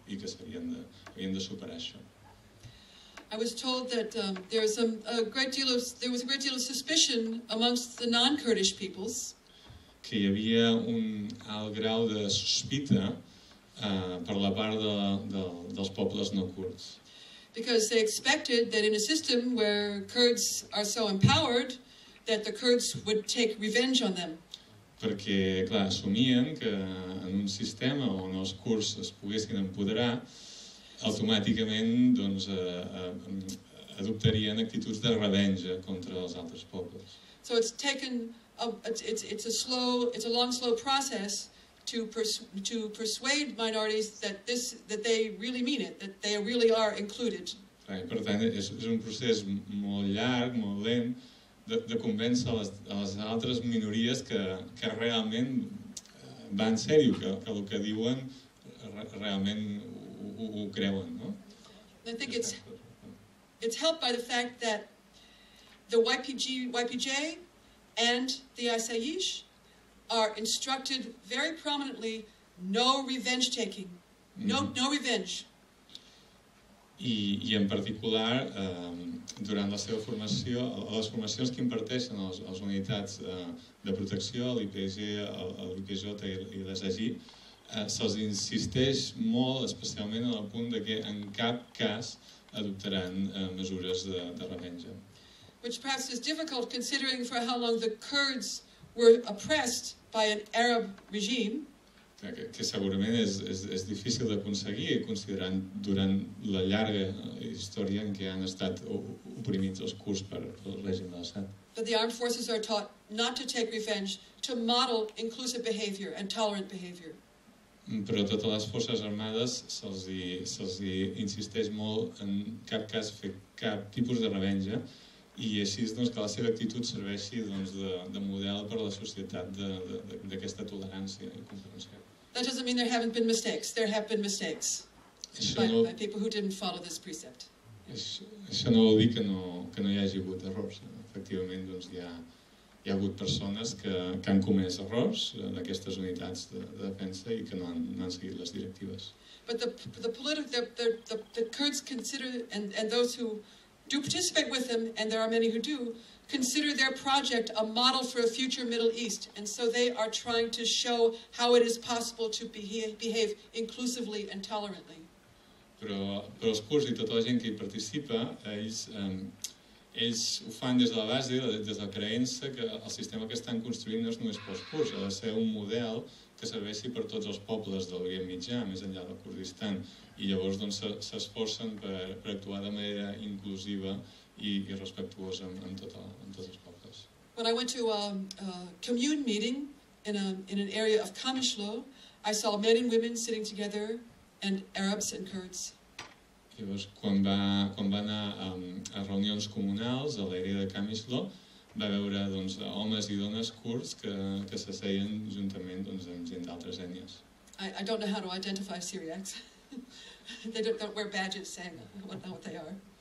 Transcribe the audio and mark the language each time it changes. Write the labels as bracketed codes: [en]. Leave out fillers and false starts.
[ca] I que havien de superar això. [en] I was told that there was a great deal of suspicion amongst the non-Kurdish peoples. [ca] Que hi havia un alt grau de sospita per la part dels pobles no kurds. [en] Because they expected that in a system where Kurds are so empowered, that the Kurds would take revenge on them. [ca] Perquè, clar, assumien que en un sistema on els kurds es poguessin empoderar, automàticament doncs adoptarien actituds de revenja contra els altres pobles. [en] So it's taken a long slow process to persuade minorities that they really mean it, that they really are included. [ca] Per tant, és un procés molt llarg, molt lent, de convèncer les altres minories que realment van seriós, que el que diuen realment ho creuen, no? [en] I think it's helped by the fact that the YPG, and the Asayish are instructed very prominently, no revenge taking, no revenge. [ca] I en particular, durant la seva formació, les formacions que imparteixen les unitats de protecció, l'IPG, l'IPJ i l'ESAGI, se'ls insisteix molt, especialment en el punt de que en cap cas adoptaran mesures de revenja. [en] Which perhaps is difficult considering for how long the Kurds were oppressed by an Arab regime. [ca] Que segurament és difícil d'aconseguir, considerant durant la llarga història en què han estat oprimits els kurds per el règim d'Assad. [en] But the armed forces are taught not to take revenge, to model inclusive behavior and tolerant behavior. [ca] Però a totes les forces armades se'ls insisteix molt en cap cas fer cap tipus de revenja i així doncs, que la seva actitud serveixi doncs, de model per a la societat d'aquesta tolerància i comprensió. [en] That doesn't mean there haven't been mistakes. There have been mistakes by people who didn't follow this precept. [ca] Això no vol dir que no hi hagi hagut errors. Efectivament, doncs, hi ha hagut persones que han comès errors en aquestes unitats de defensa i que no han seguit les directives. [en] But the Kurds consider, and those who do participate with them, and there are many who do, consider their project a model for a future Middle East, and so they are trying to show how it is possible to behave inclusively and tolerantly. [ca] Però els kurds i tota la gent que hi participa, ells ho fan des de la base, des de la creença que el sistema que estan construint no és només pels kurds, ha de ser un model que serveixi per tots els pobles del Orient Mitjà, més enllà del Kurdistan. I llavors s'esforcen per actuar de manera inclusiva i respectuosa amb tots els pobles. [en] When I went to a commune meeting in an area of Kamishlo, I saw men and women sitting together, and Arabs and Kurds. [ca] Llavors, quan va anar a reunions comunals a l'àrea de Kamishlo, va veure doncs, homes i dones kurds que s'asseien juntament doncs, amb gent d'altres ètnies. [en] I don't know how to identify Syriacs. They don't wear badges saying what they are.